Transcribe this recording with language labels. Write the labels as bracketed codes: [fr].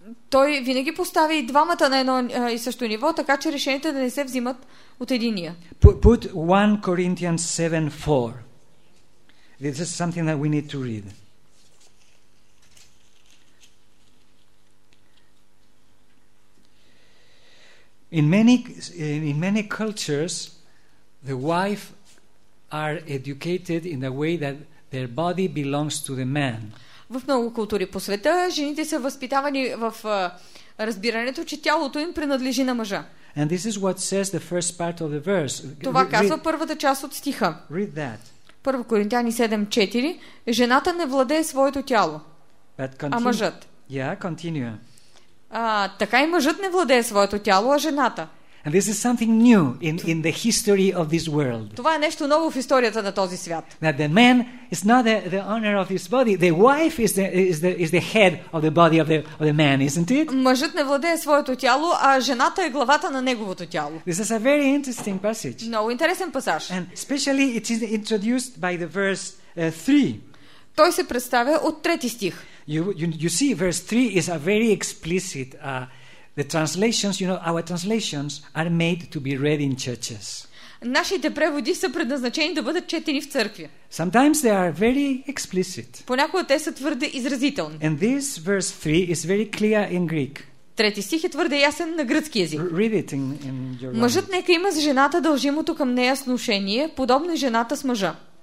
[bg] Той винаги поставя и двамата на едно и също ниво, така че решенията да не се взимат от единия. [en] Put 1 Corinthians 7:4. This is something that we need to read. In many cultures, the wife are educated in a way that their body belongs to the man. [bg] В много култури по света жените са възпитавани в разбирането, че тялото им принадлежи на мъжа. [en] And this is what says the first part of the verse. [bg] Това казва първата част от стиха. [en] Read that. [bg] 1 Коринтяни 7:4. Жената не владее своето тяло, а мъжът. [en] Yeah, continue. [bg] Така и мъжът не владее своето тяло, а жената. [en] And this is something new in the history of this world. [bg] Това е нещо ново в историята на този свят. [en] That the man is not the owner of his body. The wife is the head of the body of the man, isn't it? [bg] Мъжът не владее своето тяло, а жената е главата на неговото тяло. [en] This is a very interesting passage. [bg] Много интересен пасаж. [en] And especially it is introduced by the verse 3. [bg] Той се представя от трети стих. [en] You see, verse 3 is a very explicit The translations, you know, our translations are made to be read in churches. [bg] Нашите преводи са предназначени да бъдат четени в църкви. [en] Sometimes they are very explicit. [bg] Понякога те са твърде изразителни. [en] And this verse 3 is very clear in Greek. [bg] Трети стих е твърде ясен на гръцки език. [en] Read it in your language. [bg] Мъжът нека има с жената дължимото към нея сношение, подобно жената с мъжа.